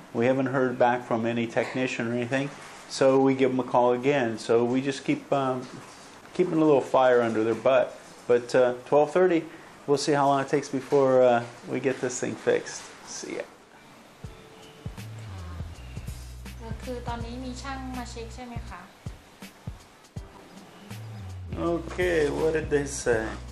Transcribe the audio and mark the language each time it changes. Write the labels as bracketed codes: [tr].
[en] We haven't heard back from any technician or anything. So we give them a call again. So we just keep keeping a little fire under their butt. But 12:30, we'll see how long it takes before we get this thing fixed. See ya. [th] คือตอนนี้มีช่างมาเช็คใช่ไหมคะ [en] โอเค what did they say